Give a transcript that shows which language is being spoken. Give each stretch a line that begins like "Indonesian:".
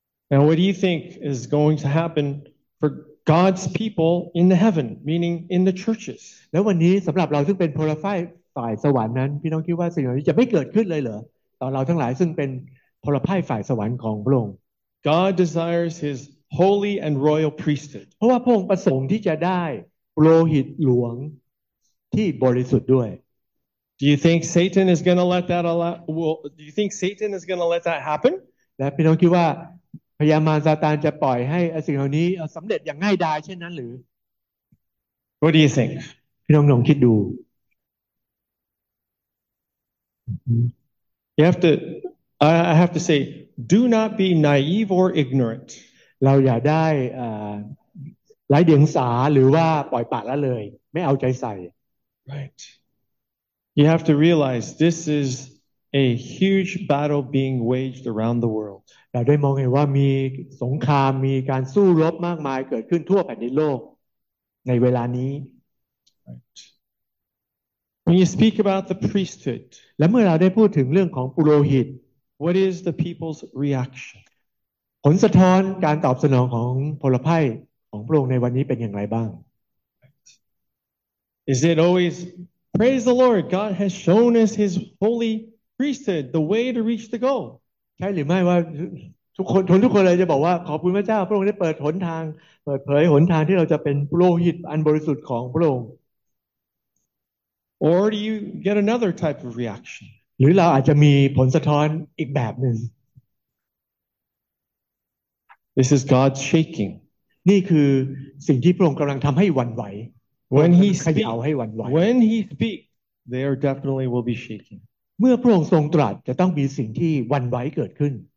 English: Now what do you think is going to happen for God's people in the heaven meaning in the churches
Thai: แล้ววันนี้สำหรับเราซึ่งเป็นพลฝ่ายสวรรค์นั้นพี่น้องคิดว่าสิ่งเหล่านี้จะไม่เกิดขึ้นเลยเหรอต่อเราทั้งหลายซึ่งเป็นพลฝ่ายสวรรค์ของพระองค์
English: God desires his holy and royal priesthood
Thai: เพราะว่าพระองค์ประสงค์ที่จะได้ปุโรหิตหลวงที่บริสุทธิ์ด้วย
English: Do you think Satan is going to let that do you think Satan is going to let that happen?
Thai: และพี่น้องคิดว่าพญามารซาตานจะปล่อยให้สิ่งเหล่านี้สำเร็จอย่างง่ายดายเช่นนั้นหรือ
English: What do you think?
Thai: พี่น้องลองคิดดู
English: You have to I have to say do not be naive or ignorant.
Thai: เราอย่าได้ไร้เดียงสาหรือว่าปล่อยปละละเลยไม่เอาใจใส่
English: Right. You have to realize this is a huge battle being waged around the world.
Thai: เราได้มองเห็นว่ามีสงครามมีการสู้รบมากมายเกิดขึ้นทั่วแผ่นดินโลกในเวลานี้
English: Right. When you speak about the priesthood,
Thai: และเมื่อเราได้พูดถึงเรื่องของปุโรหิต
English: what is the people's reaction?
Thai: ผลสะท้อนการตอบสนองของพลไพ่ของพระองค์ในวันนี้เป็นอย่างไรบ้าง
English: Is it always praise the Lord? God has shown us His holy priesthood, the way to reach the goal.
Thai: ใช่หรือไม่ว่าทุกคนเลยจะบอกว่าขอบคุณพระเจ้าพระองค์ได้เปิดหนทางเปิดเผยหนทางที่เราจะเป็นโลหิตอันบริสุทธิ์ของพระองค์
English: Or do you get another type of reaction?
Thai: หรือเราอาจจะมีผลสะท้อนอีกแบบหนึ่ง
English: This is God shaking.
Thai: นี่คือสิ่งที่พระองค์กำลังทำให้หวั่นไหว
English: When he speaks, there definitely will be shaking.
Thai: เมื่อพระองค์ทรงตรัสจะต้องมีสิ่งที่หวั่นไหวเกิดขึ้น